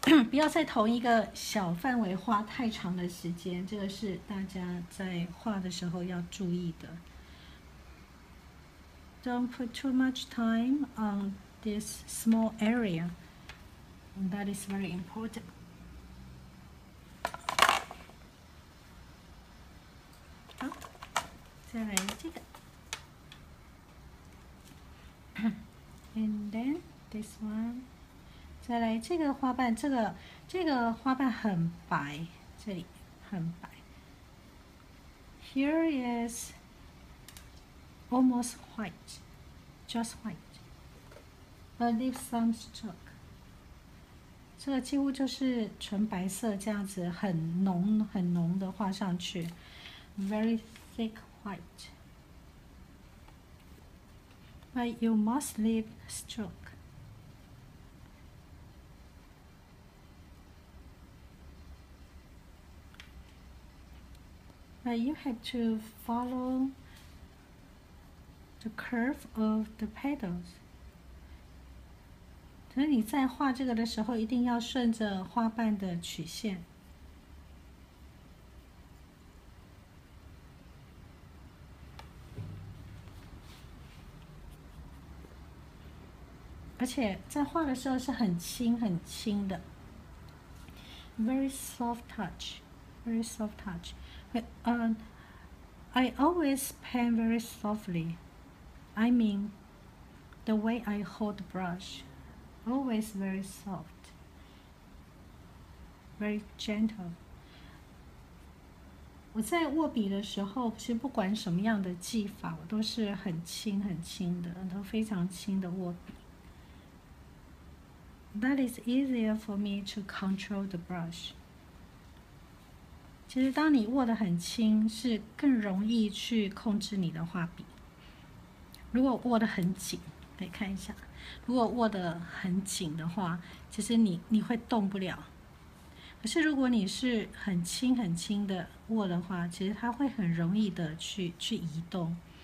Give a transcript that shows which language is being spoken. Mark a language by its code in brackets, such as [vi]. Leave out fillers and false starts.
[zh] 不要在同一个小范围花太长的时间，这个是大家在画的时候要注意的。 [en] Don't put too much time on this small area. That is very important. [zh] 好，再来这个。 [en] And then this one. [zh] 再来这个花瓣，这个花瓣很白，这里很白。 [en] Here is almost white, just white, but leave some stroke. [zh] 这个几乎就是纯白色，这样子很浓很浓的画上去 ， [en] very thick white. But you must leave stroke. You have to follow the curve of the petals. [zh] 所以你在画这个的时候，一定要顺着花瓣的曲线。而且在画的时候是很轻很轻的 ， [en] very soft touch, very soft touch. I always paint very softly. I mean, the way I hold the brush, always very soft, very gentle. [zh] 我在握笔的时候，其实不管什么样的技法，我都是很轻很轻的，都非常轻的握笔。 [en] That is easier for me to control the brush. [zh] 其实当你握得很轻，是更容易去控制你的画笔。如果握得很紧，可以看一下，如果握得很紧的话，其实你会动不了。可是如果你是很轻很轻的握的话，其实它会很容易的去移动。